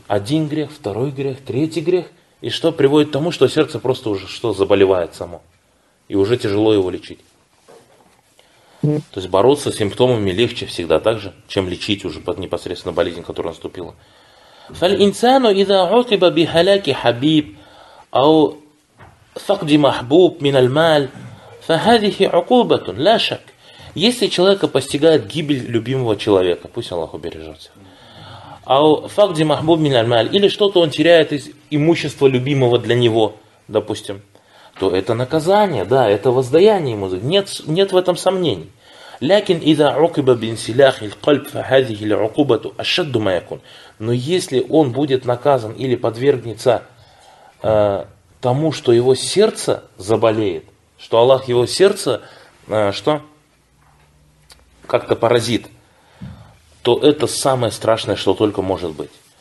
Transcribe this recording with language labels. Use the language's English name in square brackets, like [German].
[Russian] Один грех, второй грех, третий грех. И что приводит к тому, что сердце просто уже что заболевает само. И уже тяжело его лечить. То есть бороться с симптомами легче всегда так же, чем лечить уже под непосредственно болезнь, которая наступила. [Arabic] Фальинсану иза укиба би халяки хабиб. أو فقد محبوب من المال فهذه عقوبة لا شك. [Russian] Если человека постигает гибель любимого человека, пусть Аллах убережет. [Arabic] أو فقد محبوب من المال, [Russian] или что-то он теряет из имущества любимого для него, допустим, то это наказание, да, это воздаяние ему. Нет в этом сомнений. [Arabic] لكن إذا عقب بانسلاخ القلب فهذه العقوبة أشد ما يكون. [Russian] Но если он будет наказан или подвергнется тому, что его сердце заболеет, что Аллах его сердце что как-то поразит, то это самое страшное, что только может быть.